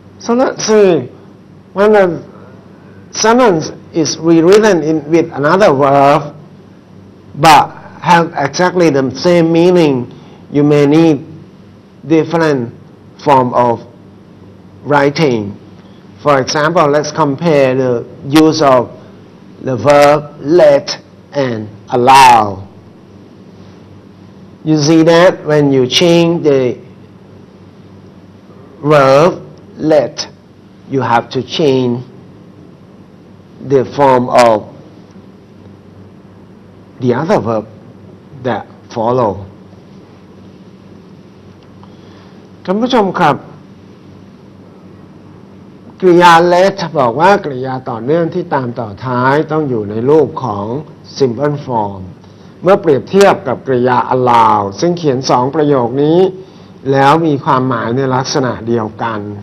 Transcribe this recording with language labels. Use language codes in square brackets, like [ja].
[en] So let's see, when a sentence is rewritten in with another verb but have exactly the same meaning, you may need different form of writing. For example, let's compare the use of the verb let and allow. You see that when you change the verb,let, you have to change the form of the other verb that follow. [th] ท่านผู้ชมครับกริยา let บอกว่ากริยาต่อเนื่องที่ตามต่อท้ายต้องอยู่ในรูปของ simple form. เมื่อเปรียบเทียบกับกริยา allow ซึ่งเขียน2ประโยคนี้แล้วมีความหมายในลักษณะเดียวกัน